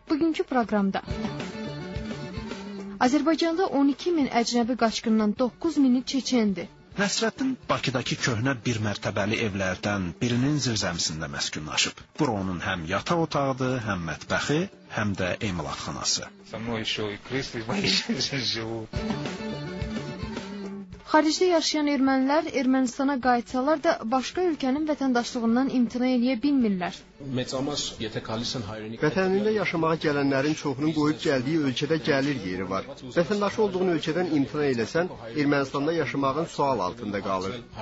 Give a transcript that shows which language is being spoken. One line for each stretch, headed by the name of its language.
Azerbaijani: Bugünkü proqramda Azərbaycanda 12 min əcnəbi qaçqından 9 mini çeçəndir. Nəsrəddin Bakıdakı köhnə bir mərtəbəli evlərdən birinin zirzəmisində məskunlaşıb. Bura onun həm yataq otağıdır, həm mətbəxi, həm də emalatxanası.
Russian: Со мной ещё и крысы живут.
Azerbaijani: Xaricdə yaşayan ermənilər Ermənistana qayıtsalar da başqa ölkənin vətəndaşlığından imtina eləyə bilmirlər. Vətənində yaşamağa gələnlərin çoxunun qoyub gəldiyi ölkədə gəlir yeri var. Vətəndaşı olduğun ölkədən imtina eləsən, Ermənistanda yaşamağın sual altında qalır.